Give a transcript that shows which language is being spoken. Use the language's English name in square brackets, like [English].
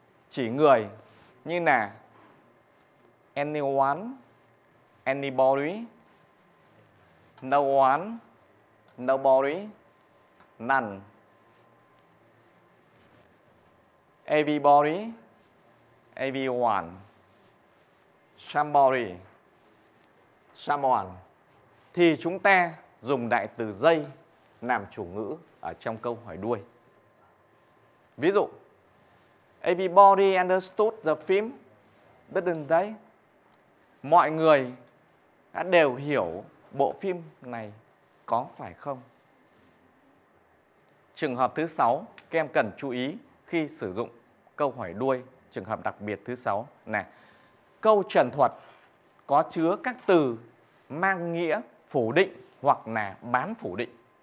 [Vietnamese] chỉ người như là [English] anyone, anybody, no one, nobody, none, everybody, everyone, somebody, someone. [Vietnamese] Thì chúng ta dùng đại từ they làm chủ ngữ ở trong câu hỏi đuôi. Ví dụ, [English] everybody understood the film, didn't they? [Vietnamese] Mọi người đã đều hiểu bộ phim này có phải không? Trường hợp thứ 6, các em cần chú ý khi sử dụng câu hỏi đuôi, trường hợp đặc biệt thứ 6 này. Câu trần thuật có chứa các từ mang nghĩa phủ định hoặc là bán phủ định.